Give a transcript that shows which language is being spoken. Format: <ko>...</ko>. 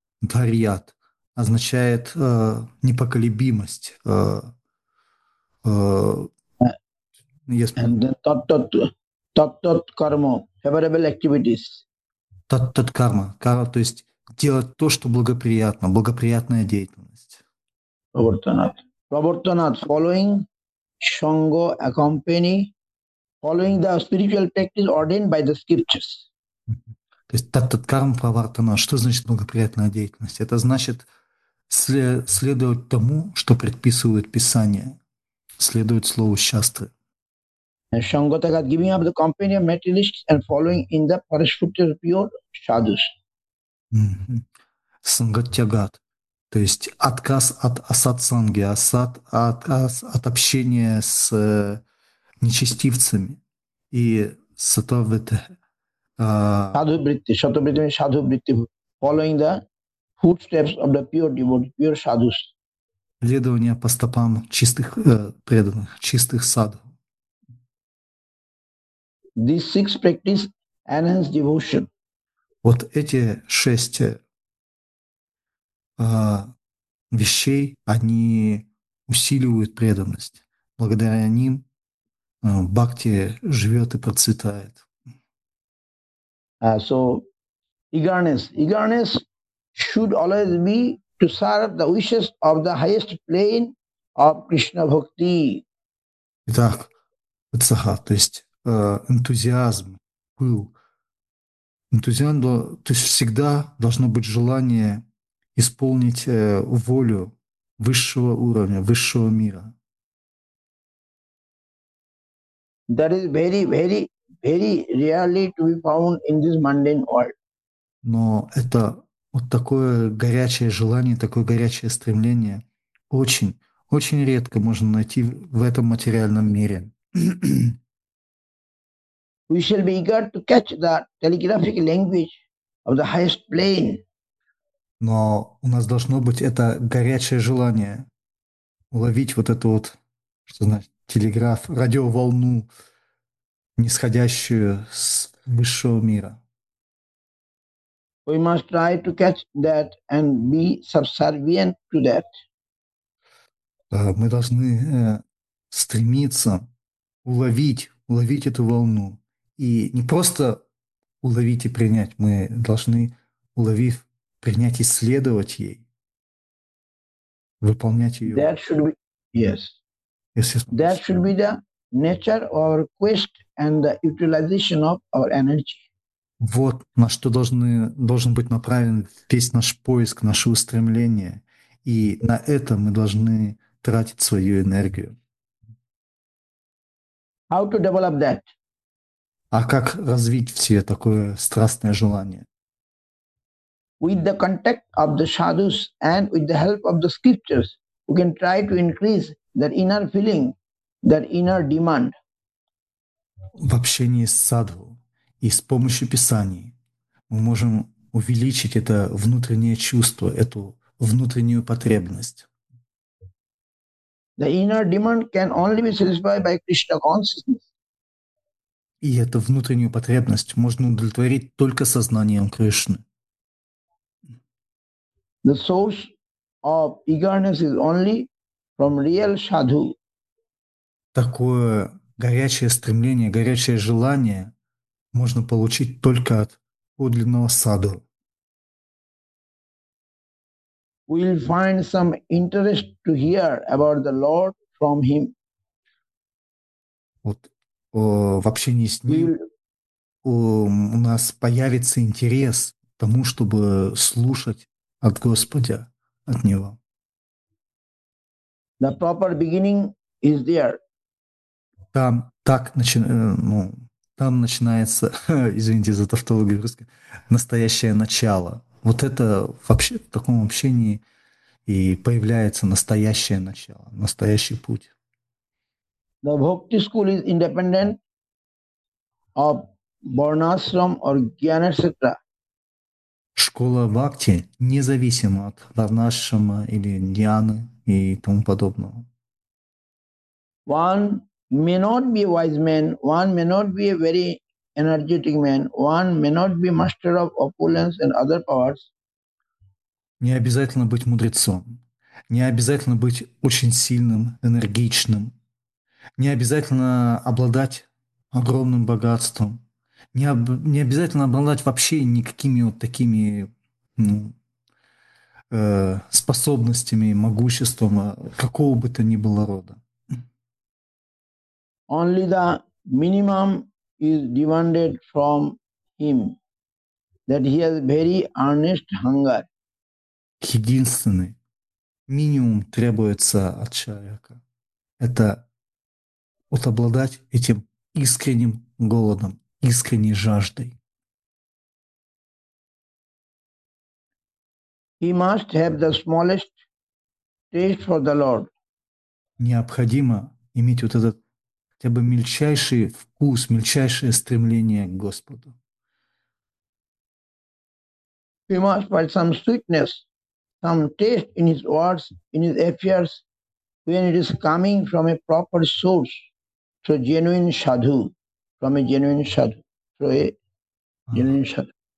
<ru>Дарьят означает непоколебимость.</ru> <en>And then tat-tat karma, favorable activities.</en> <ru>Тат-тат карма. Карма, то есть делать то, что благоприятно, благоприятная деятельность.</ru> <sa>Pravartanat.</sa> <en>Pravartanat, following Sangha, accompany, following the spiritual practice ordained by the scriptures.</en> <ru>То есть тат-тат карма правартана. Что значит благоприятная деятельность? Это значит следовать тому, что предписывает Писание, следовать слову Шастры.</ru> <en>And Shangotagat giving up the company of materialists and following in the Parashrutya of pure sadhus.</en> <ru>Сангатягат, то есть отказ от асад-санги, отказ от общения с нечестивцами и сатавита.</ru> <en>Sadhu Britti, Sadhu Britti, Sadhu Britti, following the footsteps of the pure devotee, pure sadhus.</en> <ru>Следование по стопам чистых преданных, чистых садху.</ru> <en>These six practice enhance devotion.</en> <ru>Вот эти шесть вещей, они усиливают преданность. Благодаря ним бхакти живет и процветает.</ru> <en>So, eagerness. Eagerness should always be to serve the wishes of the highest plane of Krishna bhakti.</en> <ru>Итак, Утсаха, то есть энтузиазм, пыл. Энтузиазм, то есть всегда должно быть желание исполнить волю высшего уровня, высшего мира.</ru> <en>That is very, very, very rarely to be found in this mundane world.</en> <ru>Но это вот такое горячее желание, такое горячее стремление очень, очень редко можно найти в этом материальном мире.</ru> <en>We shall be eager to catch the telegraphic language of the highest plane.</en> <ru>Но у нас должно быть это горячее желание уловить вот эту вот, что значит, телеграф, радиоволну, нисходящую с высшего мира.</ru> <en>We must try to catch that and be subservient to that.</en> <ru>Мы должны стремиться уловить эту волну. И не просто уловить и принять, мы должны, уловив, принять и следовать ей, выполнять ее.</ru> <en>That should be, yes.</en> <ru>Если я смогу</ru> <en>that</en> <ru>сказать.</ru> <en>Should be the nature of our quest and the utilization of our energy.</en> <ru>Вот на что должен быть направлен весь наш поиск, наше устремление. И на это мы должны тратить свою энергию.</ru> <en>How to develop that?</en> <ru>А как развить в себе такое страстное желание?</ru> <en>With the contact of the sadhus and with the help of the scriptures, we can try to increase that inner feeling, that inner demand.</en> <ru>В общении с садху и с помощью писаний мы можем увеличить это внутреннее чувство, эту внутреннюю потребность.</ru> <en>The inner demand can only be satisfied by Krishna consciousness.</en> <ru>И эту внутреннюю потребность можно удовлетворить только сознанием Кришны.</ru> <en>The source of eagerness is only from real sadhu.</en> <ru>Такое горячее стремление, горячее желание можно получить только от подлинного саду.</ru> <en>We'll find some interest to hear about the Lord from him.</en> <ru>Вот в общении с ним у нас появится интерес к тому, чтобы слушать от Господа, от Него.</ru> <en>The proper beginning is there.</en> <ru>Там начинается, извините за тавтологию русской, настоящее начало. Вот это вообще в таком общении и появляется настоящее начало, настоящий путь.</ru> <en>The Bhakti school is independent of Varnashram or Gyan, etc.</en> <ru>Школа Бхакти независима от Варнашрама или Дианы и тому подобного.</ru> <en>One may not be a wise man, one may not be a very energetic man, one may not be master of opulence and other powers.</en> <ru>Не обязательно быть мудрецом, не обязательно быть очень сильным, энергичным, не обязательно обладать огромным богатством, не обязательно обладать вообще никакими вот такими способностями, могуществом какого бы то ни было рода.</ru> <en>Only the minimum is demanded from him, that he has very earnest hunger.</en> <ru>Единственный минимум требуется от человека – это вот обладать этим искренним голодом, искренней жаждой.</ru> <en>He must have the smallest taste for the Lord.</en> <ru>Необходимо иметь вот этот хотя бы мельчайший вкус, мельчайшее стремление к Господу.</ru> <en>He must find some sweetness, some taste in his words, in his affairs, when it is coming from a proper source, through genuine sadhu, from a genuine sadhu, through a genuine sadhu.</en>